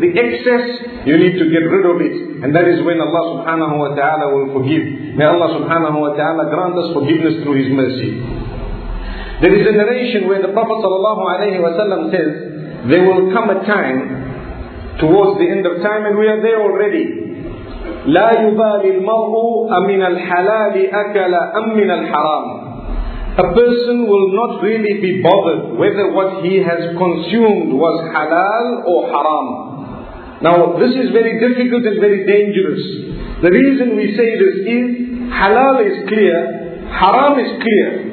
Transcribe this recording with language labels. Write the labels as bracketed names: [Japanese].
[English] The excess, you need to get rid of it. And that is when Allah subhanahu wa ta'ala will forgive. May Allah subhanahu wa ta'ala grant us forgiveness through His mercy. There is a narration where the Prophet sallallahu alayhi wa sallam says, there will come a time towards the end of time, and we are there already. [Arabic] لا يبالي المرء أمن الحلال أكل أم من الحرام. [English] A person will not really be bothered whether what he has consumed was halal or haram. Now this is very difficult and very dangerous. The reason we say this is, halal is clear, haram is clear.